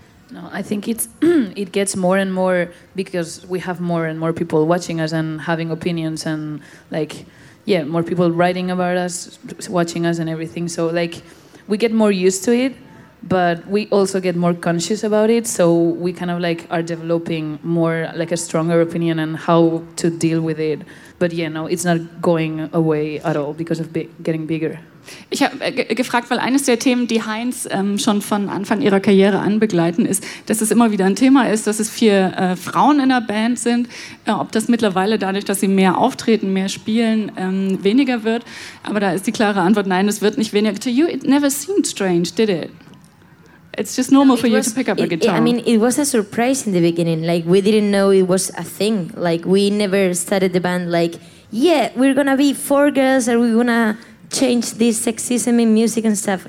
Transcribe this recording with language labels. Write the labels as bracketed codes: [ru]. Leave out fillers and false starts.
[en] No, I think it's it gets more and more because we have more and more people watching us and having opinions and like, yeah, more people writing about us, watching us and everything. So like, we get more used to it, but we also get more conscious about it. So we kind of like are developing more like a stronger opinion on how to deal with it. But yeah, no, it's not going away at all because of getting bigger. [de] Ich habe gefragt, weil eines der Themen, die Heinz schon von Anfang ihrer Karriere an begleiten, ist, dass es immer wieder ein Thema ist, dass es 4 Frauen in der Band sind, ob das mittlerweile dadurch, dass sie mehr auftreten, mehr spielen, weniger wird. Aber da ist die klare Antwort, nein, es wird nicht weniger. [en] To you, it never seemed strange, did it? It's just normal for you to pick up a guitar. I mean, it was a surprise in the beginning. Like, we didn't know it was a thing. Like, we never started the band like, yeah, we're gonna be 4 girls, are we gonna change this sexism in music and stuff.